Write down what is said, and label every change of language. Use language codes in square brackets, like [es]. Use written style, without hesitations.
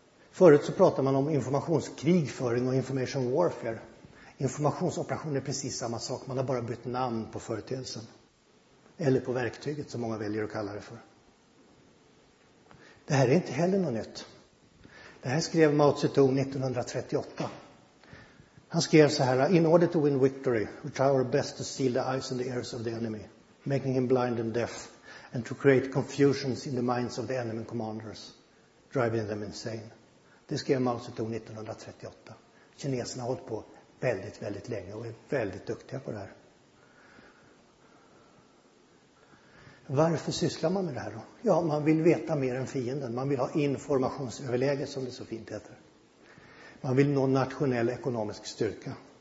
[sv] Förut så pratade man om informationskrigföring och information warfare. Informationsoperationer är precis samma sak. Man har bara bytt namn på företeelsen. Eller på verktyget som många väljer att kalla det för. Det här är inte heller något nytt. Det här skrev Mao Zedong 1938. Han skrev så här: [en] "In order to win victory, we try our best to seal the eyes and the ears of the enemy, making him blind and deaf, and to create confusions in the minds of the enemy commanders, driving them insane." [sv] Det skrev Mao Zedong 1938. Kineserna har hållit på väldigt, väldigt länge och är väldigt duktiga på det här. Varför sysslar man med det här då? Ja, man vill veta mer än fienden. Man vill ha informationsöverläge, som det så fint heter. Man vill nå nationell ekonomisk styrka.